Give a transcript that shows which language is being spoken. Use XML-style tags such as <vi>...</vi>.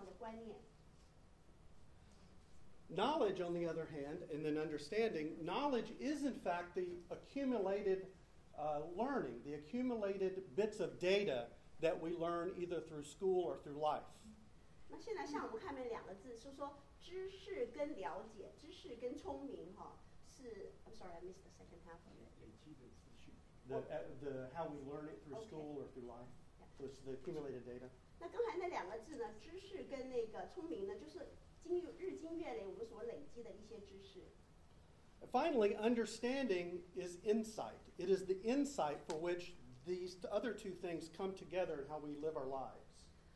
<zh>这个智慧本身呢，并不是只是说把，就是我们日常生活的那些小智慧，而是，我们一般生活上的观念。</zh> <en>Knowledge, on the other hand, and then understanding, knowledge is in fact the accumulated learning, the accumulated bits of data that we learn either through school or through life.</en> <zh>那现在像我们看面两个字，说知识跟了解，知识跟聪明，哈，是</zh> <en>I'm sorry, I missed the second half.</en> <zh>累积的资讯，</zh> <en>the how we learn it through school or through life, which the accumulated data.</en> <zh>那刚才那两个字呢，知识跟那个聪明呢，就是经日积月累我们所累积的一些知识。</zh> <en>Finally, understanding is insight. It is the insight for which these other two things come together in how we live our lives.</en>